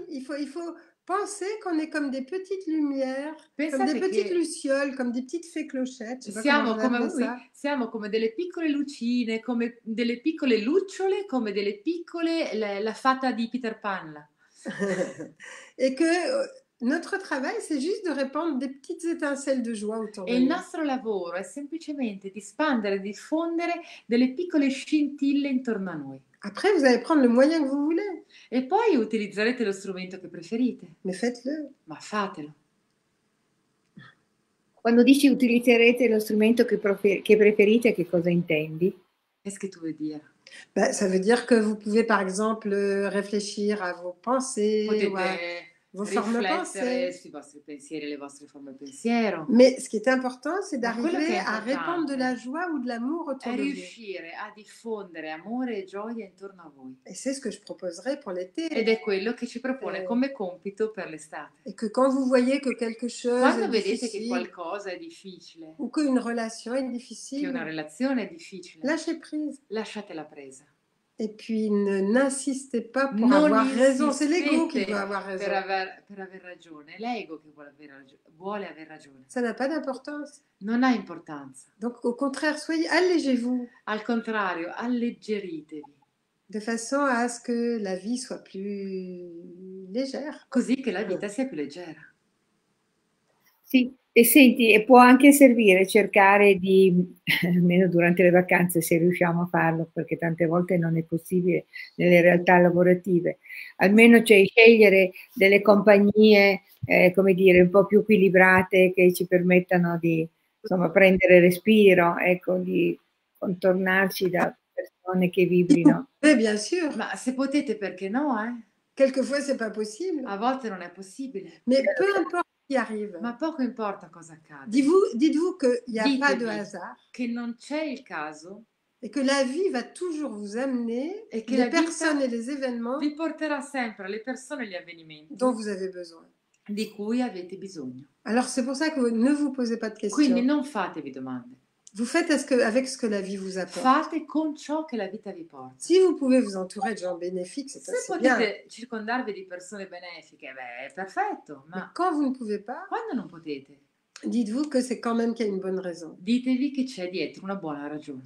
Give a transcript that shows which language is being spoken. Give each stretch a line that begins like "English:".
French: Oui, il faut penser qu'on est comme des petites lumières, pensate comme des petites lucioles, comme des petites fées clochettes.
Italian: Siamo come delle piccole lucine, come delle piccole lucciole, come delle piccole la fata di Peter Pan.
French: Et que notre travail, c'est juste de répandre des petites étincelles de joie autour de nous.
Italian: Il nostro lavoro è semplicemente di spandere, diffondere delle piccole scintille intorno a noi.
French: Après, vous allez prendre le moyen que vous voulez.
Italian: E poi utilizzerete lo strumento che preferite.
French: Mais faites-le.
Italian: Ma fatelo. Quando dici utilizzerete lo strumento che preferite, che cosa intendi?
French: Qu'est-ce que tu veux dire? Beh, ça veut dire que vous pouvez, par exemple, réfléchir à vos pensées.
Italian: Potete
French: ou à vos formes
Italian: pensées. Sui vostri pensieri, le vostre forme pensiero.
French: Mais ce qui est important, c'est d'arriver à répandre de la joie ou de l'amour autour de vous.
Italian: È riuscire a diffondere amore e gioia intorno a voi.
French: Et c'est ce que je proposerai pour l'été.
Italian: Ed è quello che ci propone come compito per l'estate.
French: Et que quand vous voyez que quelque chose
Italian: quando vedete che qualcosa è difficile.
French: Ou qu'une relation est difficile.
Italian: Che una relazione è difficile.
French: Lâchez prise.
Italian: Lasciate la presa.
French: Et puis n'insistez pas pour non avoir raison, c'est l'ego qui doit avoir raison.
Italian: Per aver ragione, l'ego che vuole aver ragione.
French: Ça n'a pas d'importance.
Italian: Non ha importanza.
French: Donc au contraire, soyez allégez-vous.
Italian: Al contrario, alleggeritevi.
French: De façon à ce que la vie soit plus légère.
Italian: Così che la vita sia più leggera. Sì. E senti, e può anche servire cercare di, almeno durante le vacanze, se riusciamo a farlo, perché tante volte non è possibile nelle realtà lavorative, almeno cioè scegliere delle compagnie, come dire, un po' più equilibrate, che ci permettano di, insomma, prendere respiro, ecco, di contornarci da persone che vibrino.
French: Beh, bien sûr.
Italian: Ma se potete, perché no,
French: Quelquefois c'est pas possible.
Italian: A volte non è possibile.
French: Mais peu importe. Arrive.
Italian: Ma poco importa cosa accade.
French: Dites-vous que il y a pas de hasard.
Italian: Che non c'è il caso.
French: Et que la vie va toujours vous amener.
Italian: E che le persone e gli eventi. Vi porterà sempre le persone e gli avvenimenti.
French: Dont vous avez besoin.
Italian: Di cui avete bisogno.
French: Alors c'est pour ça que ne vous posez pas de questions.
Italian: Quindi non fatevi domande.
French: Vous faites avec ce que la vie vous apporte.
Italian: Fate con ciò che la vita vi porta.
French: Si vous pouvez vous entourer de gens bénéfiques, c'est assez bien.
Italian: Se potete circondarvi di persone benefiche, beh, è perfetto. Ma
French: quand vous ne pouvez pas,
Italian: quando non potete,
French: dites-vous que c'est quand même qu'il y a une bonne raison.
Italian: Ditevi che c'è dietro una buona ragione.